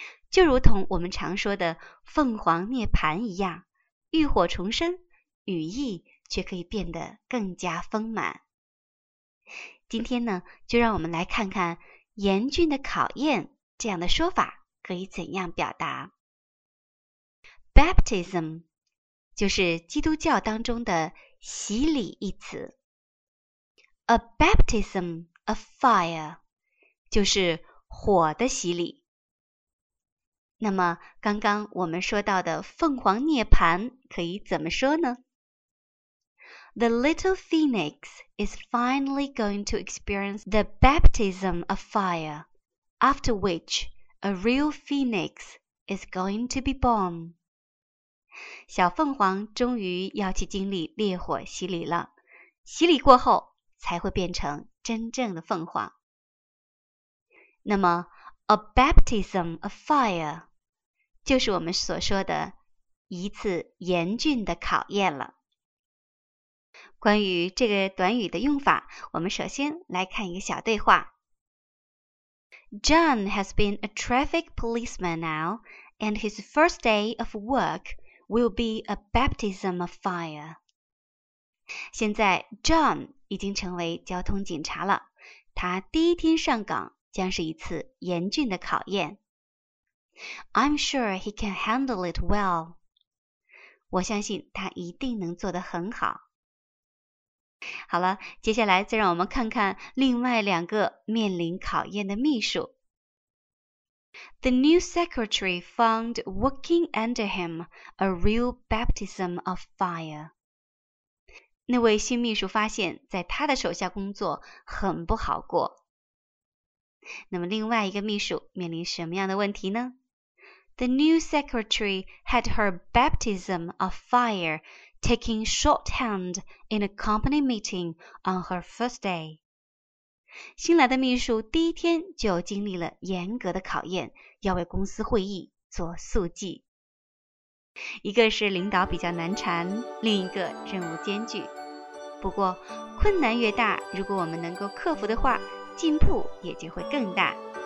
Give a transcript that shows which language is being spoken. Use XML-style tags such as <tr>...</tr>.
<zh>就如同我们常说的凤凰涅槃一样，浴火重生，羽翼却可以变得更加丰满。今天呢，就让我们来看看严峻的考验这样的说法可以怎样表达。 Baptism 就是基督教当中的洗礼一词。</zh> <en>A baptism of fire</en> <zh>就是火的洗礼。那么刚刚我们说到的凤凰涅槃可以怎么说呢？</zh> <en>The little phoenix is finally going to experience the baptism of fire, after which a real phoenix is going to be born.</en> <zh>小凤凰终于要去经历烈火洗礼了，洗礼过后才会变成真正的凤凰。那么</zh> <en>a baptism of fire</en> <zh>就是我们所说的一次严峻的考验了。关于这个短语的用法，我们首先来看一个小对话。</zh> <en>John has been a traffic policeman now, and his first day of work will be a baptism of fire.</en> <zh>现在 John 已经成为交通警察了，他第一天上岗将是一次严峻的考验。</zh> <en>I'm sure he can handle it well.</en> <zh>我相信他一定能做得很好。好了，接下来再让我们看看另外两个面临考验的秘书。</zh> <en>The new secretary found working under him a real baptism of fire.</en> <zh>那位新秘书发现在他的手下工作很不好过。那么另外一个秘书面临什么样的问题呢？</zh> <en>The new secretary had her baptism of fire taking shorthand in a company meeting on her first day.</en> <zh>新来的秘书第一天就经历了严格的考验，要为公司会议做速记。一个是领导比较难缠，另一个任务艰巨。不过困难越大，如果我们能够克服的话，进步也就会更大。</zh>